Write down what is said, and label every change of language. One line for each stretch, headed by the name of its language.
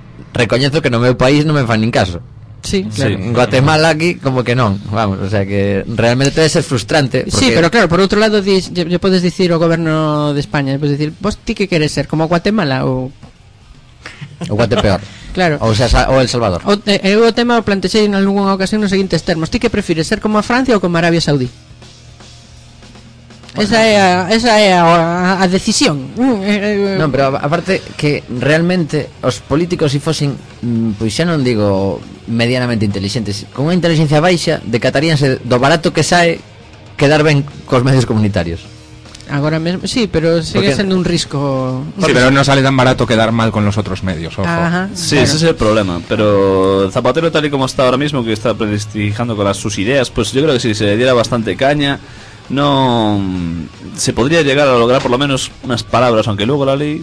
Galician: Recoñezo que no meu país non me fan nin caso.
Spanish: Sí, claro. Sí,
Galician: en Guatemala aquí como que non, vamos, o sea que realmente debe ser frustrante porque...
Spanish: Sí, pero claro,
Galician: por outro lado yo podes dicir o goberno de España, podes dicir, vos ti que queres ser como Guatemala ou
Spanish: Guatepeor. Claro.
Galician: O El Salvador. O tema o plantexei en algunha ocasión nos seguintes termos. Ti que prefires, ser como a Francia ou como a Arabia Saudí? Esa é a decisión. Non, pero aparte que realmente os políticos, si fosen, pois xa non digo medianamente inteligentes, con unha inteligencia baixa, decataríanse do barato que sae quedar ben cos medios comunitarios.
Spanish: Ahora mismo, sí, pero sigue siendo un riesgo. Sí, pero no sale tan barato quedar mal con los otros medios, ojo. Ajá, sí, claro. Ese es el problema. Pero Zapatero, tal y como está ahora mismo, que está prestigiando con sus ideas, pues yo creo que si se le diera bastante caña, no se podría llegar a lograr por lo menos unas palabras, aunque luego la ley.